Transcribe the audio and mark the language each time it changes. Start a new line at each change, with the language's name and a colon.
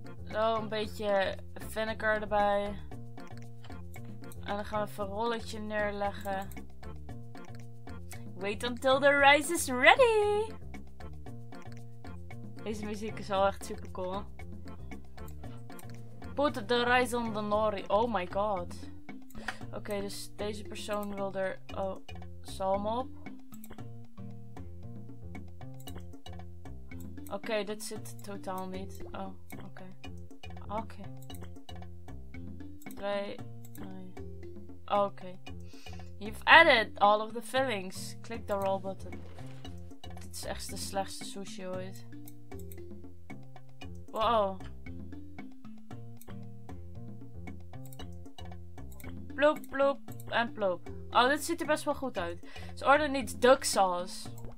Dutch: Zo, een beetje vinegar erbij. En dan gaan we even een rolletje neerleggen.
English: Wait until the rice is ready!
Dutch: Deze muziek is al echt super cool.
English: Put the rice on the nori. Oh my god.
Dutch: Oké, dus deze persoon wil er... Oh, zalm op. Oké, dit zit totaal niet. Oh, oké. Oké. 3, 9. Oké.
English: You've added all of the fillings. Click the roll button.
Dutch: Dit is echt de slechtste sushi ooit. Wow. Bloop, bloop. en plop. Oh, dit ziet er best wel goed uit. Ze orderen niet duck sauce.